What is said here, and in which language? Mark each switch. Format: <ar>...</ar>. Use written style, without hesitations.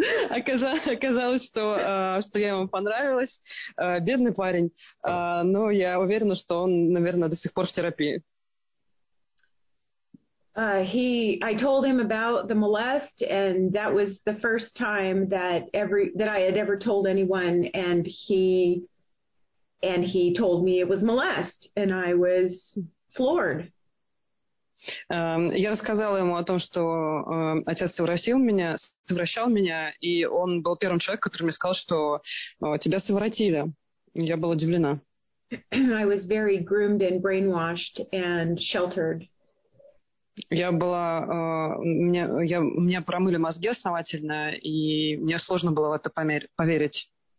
<ru>Оказалось, что я ему понравилась. Бедный парень. Но я уверена, что он, наверное, до сих пор в терапии.</ru> <en>I told him about the molest, and that was the first time that I had ever told anyone, and he told me it was molest, and I was floored.</en> <ru>Я рассказала ему о том, что отец совращал меня, и он был первым человеком, который мне сказал, что тебя совратили. Я была удивлена.</ru> <en>I was very groomed and brainwashed and sheltered.</en> <ru>Меня промыли мозги основательно, и мне сложно было в это поверить.</ru>